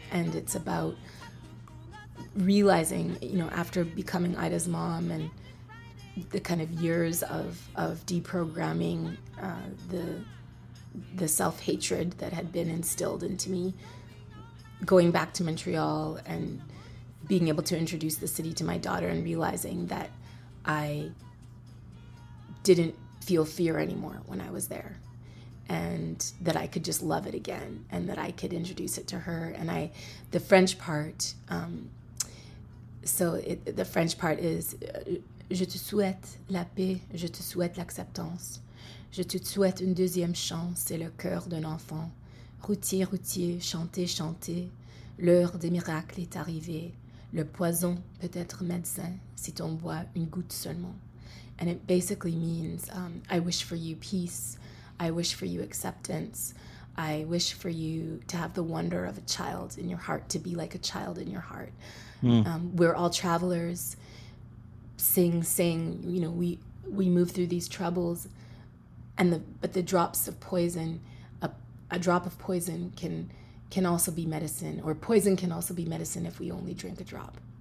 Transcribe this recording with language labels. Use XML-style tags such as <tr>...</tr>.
<en>And it's about realizing, you know, after becoming Ida's mom and the kind of years of deprogramming the self-hatred that had been instilled into me, going back to Montreal and being able to introduce the city to my daughter and realizing that I didn't feel fear anymore when I was there, and that I could just love it again, and that I could introduce it to her. And I, the French part, the French part is,</en> <fr>je te souhaite la paix, je te souhaite l'acceptance, je te souhaite une deuxième chance, c'est le cœur d'un enfant, routier, routier, chanter, chanter, l'heure des miracles est arrivée, le poison peut être médecin, si t'en bois une goutte seulement.</fr> <en>And it basically means, I wish for you peace, I wish for you acceptance, I wish for you to have the wonder of a child in your heart, to be like a child in your heart. Mm. We're all travelers, sing, you know, we move through these troubles, and the drops of poison, a drop of poison can also be medicine, or poison can also be medicine if we only drink a drop.</en>